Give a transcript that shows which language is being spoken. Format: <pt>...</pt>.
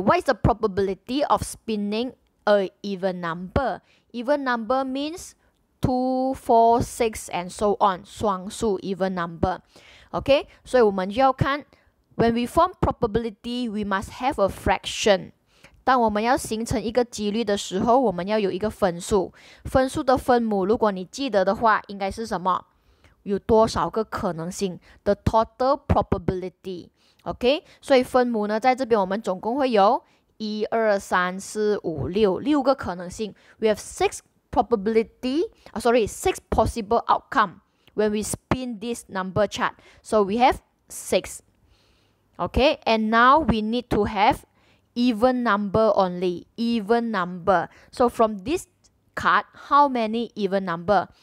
<en>What is the probability of spinning a even number? Even number means 2, 4, 6, and so on. 双数, even number. Okay?</en> <zh>所以我们就要看,</zh> <en>when we form probability, we must have a fraction.</en> <zh>当我们要形成一个几率的时候, 我们要有一个分数.分数的分母, 如果你记得的话, 应该是什么? 有多少个可能性?</zh> <en>The total probability.</en> <zh>Okay? 所以分母呢, 在这边我们总共会有 1, 2, 3, 4, 5, 6, 6个可能性.</zh> <en>We have 6 probability, sorry, 6 possible outcome when we spin this number chart. So we have 6. Okay, and now we need to have even number only. Even number. So from this card, how many even number?</en>